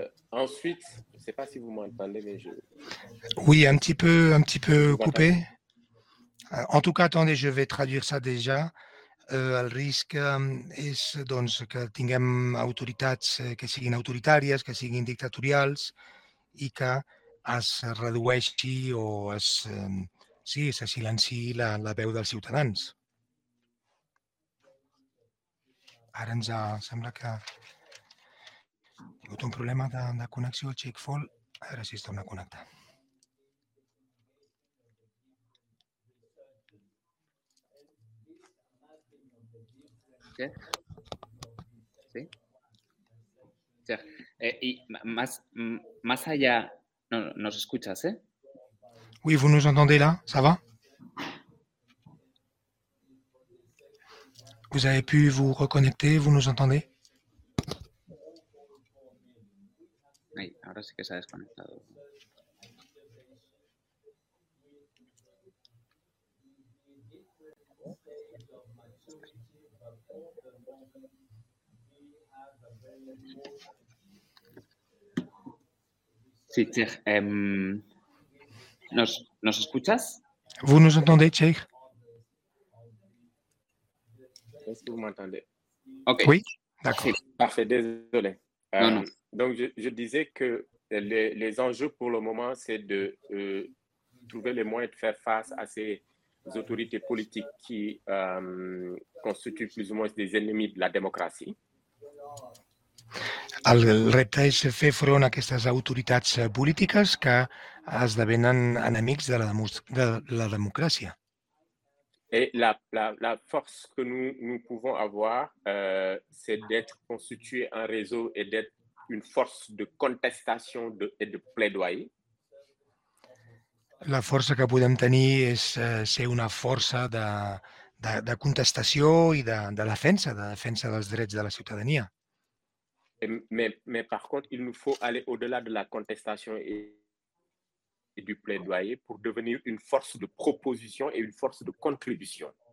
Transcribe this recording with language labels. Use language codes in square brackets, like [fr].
[fr] Ensuite, je ne sais pas si vous m'entendez, mais je... Oui, un petit peu coupé. En tout cas, attendez, je vais traduire ça déjà. [ca] El risc és doncs, que tinguem autoritats que siguin autoritàries, que siguin dictatorials i que es redueixi o se silenciï la veu dels ciutadans. Ara ens sembla que... Hi ha hagut un problema de connexió, Chick Fall. A veure si es torna a connectar. [es] ¿Qué? ¿Sí? O sea, y más allá... No, nos escuchas, ¿eh? [fr] Oui, vous nous entendez là, ça va? Vous avez pu vous reconnecter, vous nous entendez? [es] Ahora sí que se ha desconectado. Sí, Cheikh. ¿Nos escuchas? ¿Vos nos entendés, Cheikh? ¿Es que vos me entendés? [en] Ok. [fr] Oui, d'accord. [es] Sí. [fr] Parfait, désolé. Non, non. Donc, je disais que les enjeux pour le moment, c'est de trouver les moyens de faire face à ces autorités politiques qui constituent plus ou moins des ennemis de la démocratie. [ca] El repte és fer front a aquestes autoritats polítiques que esdevenen enemics de la democràcia. [fr] Et la force que nous pouvons avoir, c'est d'être constitué un réseau et d'être une force de contestation et de plaidoyer. [ca] La força que podem tenir és ser una força de contestació i de defensa dels drets de la ciutadania. [fr] Mais par contre, il nous faut aller au-delà de la contestation et du plaidoyer pour devenir une force de proposition et une force de contribution.